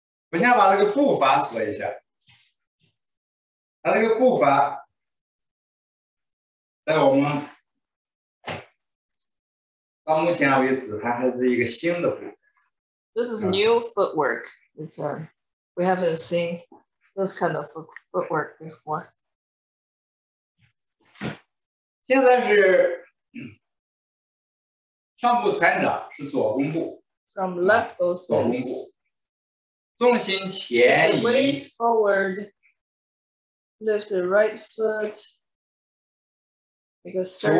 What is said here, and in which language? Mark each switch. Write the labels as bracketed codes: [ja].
[zh] 我先把这个步伐说一下。它这个步伐在我们到目前为止，它还是一个新的步伐。 [en] This is new footwork. It's a, we haven't seen this kind of footwork before. [zh] 现在是上部穿掌是左弓步 [en] ，from left bosom. [zh] 左弓步，重心前移 [en] ，weight forward. Lift the right foot. Make a circle.